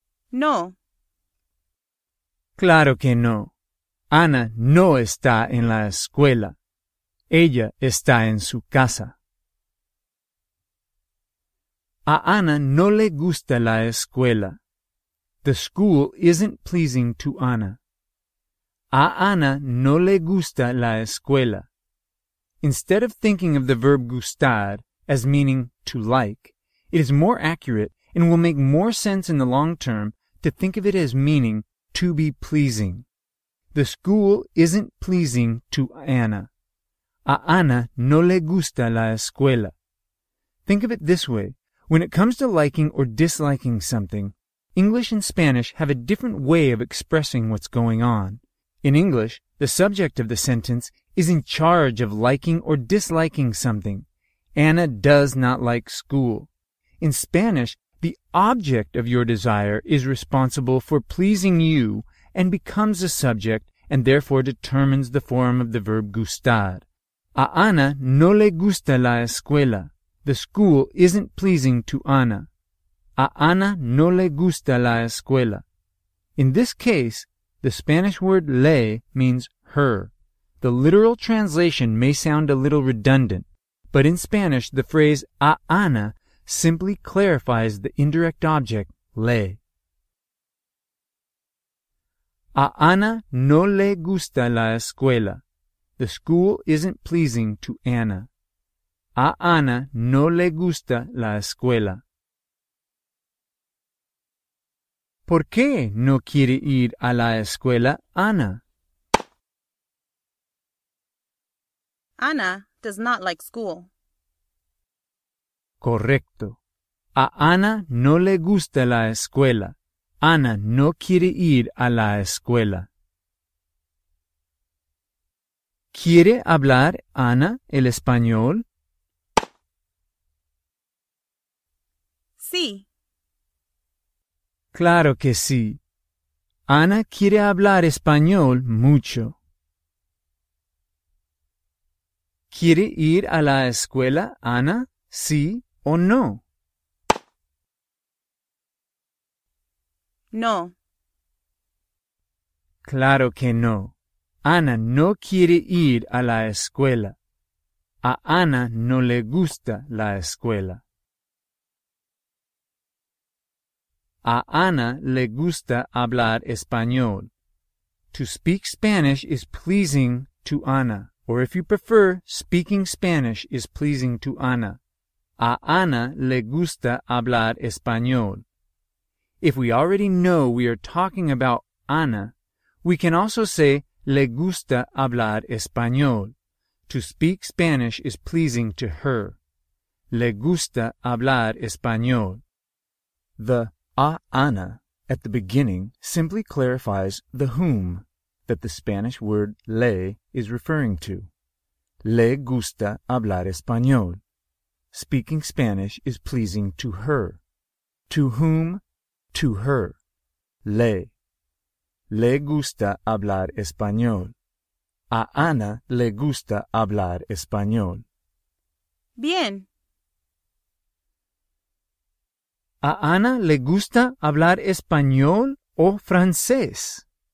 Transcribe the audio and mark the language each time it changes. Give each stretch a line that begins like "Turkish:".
Spanish: No. Claro que no. Ana no está en la escuela. Ella está en su casa. A Ana no le gusta la escuela.
English: The school isn't pleasing to Ana.
Spanish: A Ana no le gusta la escuela.
English: Instead of thinking of the verb gustar as meaning to like, it is more accurate and will make more sense in the long term to think of it as meaning to be pleasing. The school isn't pleasing to Ana.
Spanish: A Ana no le gusta la escuela.
English: Think of it this way. When it comes to liking or disliking something, English and Spanish have a different way of expressing what's going on. In English, the subject of the sentence is in charge of liking or disliking something. Ana does not like school. In Spanish, the object of your desire is responsible for pleasing you and becomes a subject and therefore determines the form of the verb gustar.
Spanish: A Ana no le gusta la escuela.
English: The school isn't pleasing to Ana.
Spanish: A Ana no le gusta la escuela.
English: In this case, the Spanish word le means her. The literal translation may sound a little redundant, but in Spanish the phrase a Ana simply clarifies the indirect object le.
Spanish: A Ana no le gusta la escuela.
English: The school isn't pleasing to Ana.
Spanish: A Ana no le gusta la escuela. ¿Por qué no quiere ir a la escuela, Ana?
English: Ana does not like school.
Spanish: Correcto. A Ana no le gusta la escuela. Ana no quiere ir a la escuela. ¿Quiere hablar Ana el español? Sí. Claro que sí. Ana quiere hablar español mucho. ¿Quiere ir a la escuela, Ana? ¿Sí o no? No. Claro que no. Ana no quiere ir a la escuela. A Ana no le gusta la escuela. A Ana le gusta hablar español.
English: To speak Spanish is pleasing to Ana. Or if you prefer, speaking Spanish is pleasing to Ana.
Spanish: A Ana le gusta hablar español.
English: If we already know we are talking about Ana, we can also say
Spanish: le gusta hablar español.
English: To speak Spanish is pleasing to her.
Spanish: Le gusta hablar español.
English: The a Ana at the beginning simply clarifies the whom that the Spanish word le is referring to.
Spanish: Le gusta hablar español.
English: Speaking Spanish is pleasing to her. To whom? To her. Le.
Spanish: Le gusta hablar español. A Ana le gusta hablar español. Bien. ¿A Ana le gusta hablar español o francés?